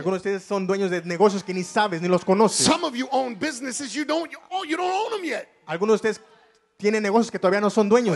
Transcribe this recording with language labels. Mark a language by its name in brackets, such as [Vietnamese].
[Spanish] Algunos de ustedes son dueños de negocios que ni sabes ni los conoces. [English] Some of you own businesses you don't own them yet. [Spanish] Algunos de ustedes tienen negocios que todavía no son dueños